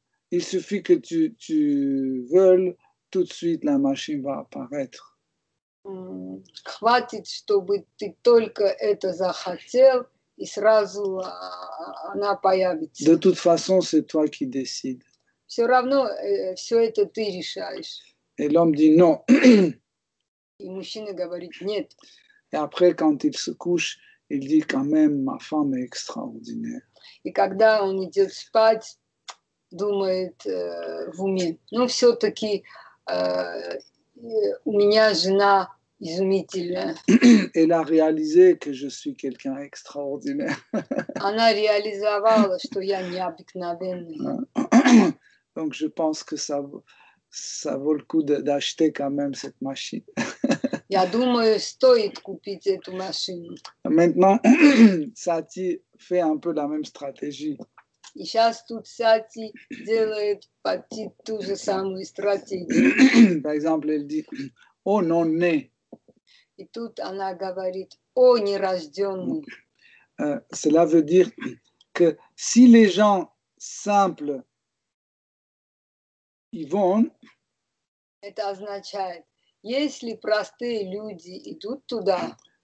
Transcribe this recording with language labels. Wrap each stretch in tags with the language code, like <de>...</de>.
<fr>Il suffit que tu veuilles, tout de suite la machine va apparaître.</fr> <ru>хватит, чтобы ты только это захотел, и сразу она появится.</ru> <fr>De toute façon, c'est toi qui décides.</fr> <ru>Все равно все это ты решаешь.</ru> <fr>Et l'homme dit non.</fr> <ru>И мужчина говорит нет.</ru> <fr>Et après, quand il se couche, il dit quand même, ma femme est extraordinaire.</fr> <ru>И когда он идет спать, думает в уме, ну все-таки у меня жена</ru> <fr>Elle a réalisé que je suis quelqu'un extraordinaire.</fr> <ru>Она реализовала, что я необыкновенный.</ru> <fr>Donc je pense que ça vaut le coup d'acheter quand même cette machine.</fr> <ru>Я думаю, стоит купить эту машину.</ru> <fr>Maintenant, Sati fait un peu la même stratégie.</fr> <ru>И сейчас тут Сати делает почти ту же самую стратегию.</ru> <fr>Par exemple, elle dit, oh non, né.</fr> <ru>И тут она говорит: «О, нерождённый».</ru> <fr>Cela veut dire que si les gens simples y vont,</fr> <ru>это означает, если простые люди идут туда,</ru>